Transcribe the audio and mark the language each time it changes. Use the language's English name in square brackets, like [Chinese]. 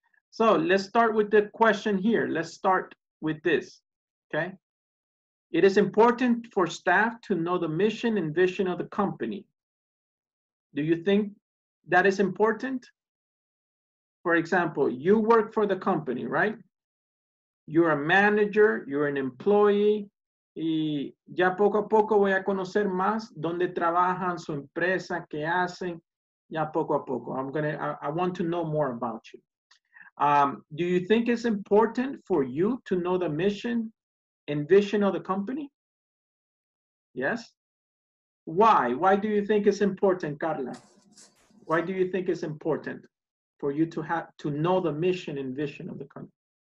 [English] So let's start with the question here. Let's start with this, okay? It is important for staff to know the mission and vision of the company. Do you think that is important? For example, you work for the company, right? You're a manager, you're an employee, [Spanish] y ya poco a poco voy a conocer más dónde trabajan, su empresa, qué hacen. Ya poco a poco. [English] I want to know more about you. Do you think it's important for you to know the mission and vision of the company? Yes? Why? Why do you think it's important, Carla? Why do you think it's important for you to know the mission and vision of the company?